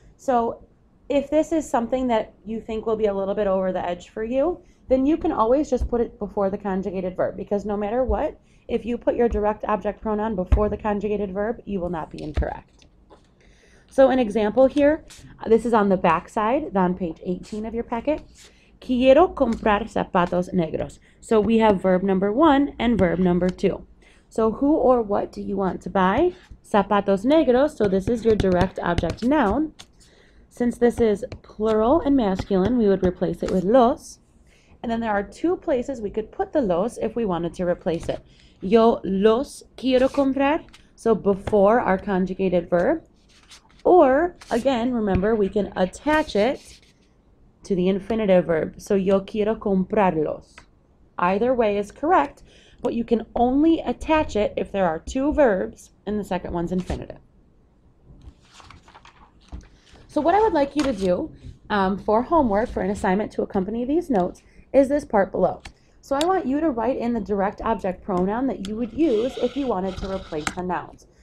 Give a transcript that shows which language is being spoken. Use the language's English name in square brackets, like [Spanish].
[English] So if this is something that you think will be a little bit over the edge for you, then you can always just put it before the conjugated verb, because no matter what, if you put your direct object pronoun before the conjugated verb, you will not be incorrect. So an example here, this is on the back side, on page 18 of your packet. [Spanish] Quiero comprar zapatos negros. [English] So we have verb number one and verb number two. So who or what do you want to buy? [Spanish] Zapatos negros, [English] so this is your direct object noun. Since this is plural and masculine, we would replace it with los. And then there are two places we could put the los if we wanted to replace it. [Spanish] Yo los quiero comprar, [English] so before our conjugated verb. Or, again, remember, we can attach it to the infinitive verb. So [Spanish] yo quiero comprarlos. [English] Either way is correct, but you can only attach it if there are two verbs and the second one's infinitive. So what I would like you to do for homework, for an assignment to accompany these notes, is this part below. So I want you to write in the direct object pronoun that you would use if you wanted to replace the nouns.